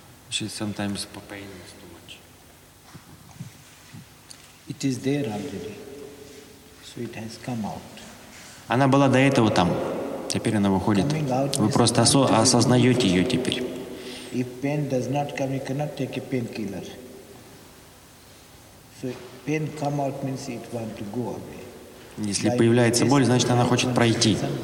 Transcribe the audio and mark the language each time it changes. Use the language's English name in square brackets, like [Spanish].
[English] She sometimes pain is too much. It is there already. So it has come out. [Russian] Она была до этого там. Теперь она выходит. Вы просто осознаете ее теперь. [English] If pain does not come, you cannot take a painkiller. So pain come out means it want to go away. [Russian] Если появляется боль, значит, она хочет пройти.